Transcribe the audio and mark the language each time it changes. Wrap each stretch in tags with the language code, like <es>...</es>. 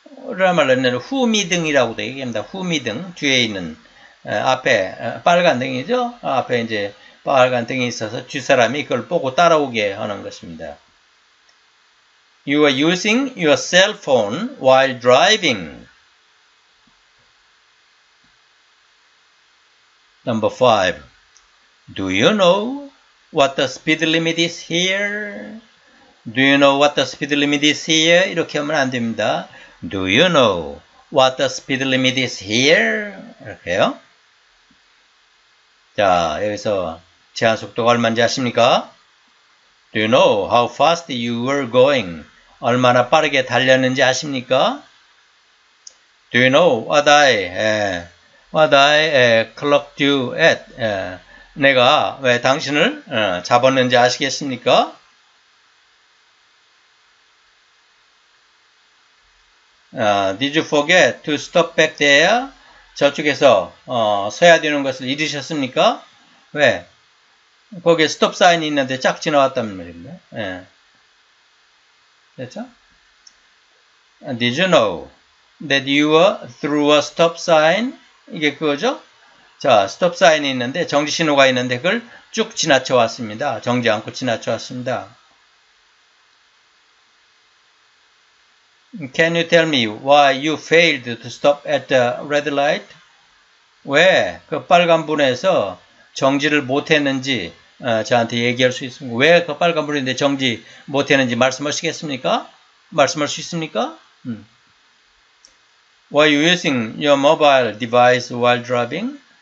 <ko>라는 말로는 후미등이라고 얘기합니다. 후미등 뒤에 있는 앞에 빨간 등이죠. 앞에 이제 빨간 등이 있어서 뒷사람이 그걸 보고 따라오게 하는 것입니다.</ko> <en>You are using your cell phone while driving. Number 5. Do you know what the speed limit is here? Do you know what the speed limit is here?</en> <ko>이렇게 하면 안 됩니다.</ko> <en>Do you know what the speed limit is here?</en> <ko>이렇게요. 자, 여기서 제한속도가 얼마인지 아십니까?</ko> <en>Do you know how fast you were going?</en> <ko>얼마나 빠르게 달렸는지 아십니까?</ko> <en>Do you know what I clocked you at?</en> <ko>내가 왜 당신을 잡았는지 아시겠습니까?</ko> <en>Did you forget to stop back there?</en> <ko>저쪽에서 서야 되는 것을 잊으셨습니까? 왜? 거기에 stop sign이 있는데 쫙 지나왔단 말입니다. 예. 됐죠?</ko> <en>Did you know that you were through a stop sign?</en> <ko>이게 그거죠? 자, stop sign이 있는데 정지 신호가 있는데 그걸 쭉 지나쳐 왔습니다. 정지 않고 지나쳐 왔습니다.</ko> <en>Can you tell me why you failed to stop at the red light?</en> <ko>왜 그 빨간불에서 정지를 못했는지 저한테 얘기할 수 있습니까? 왜 그 빨간불인데 정지 못했는지 말씀하시겠습니까? 말씀할 수 있습니까?</ko> <en>Why are you using your mobile device while driving?</en>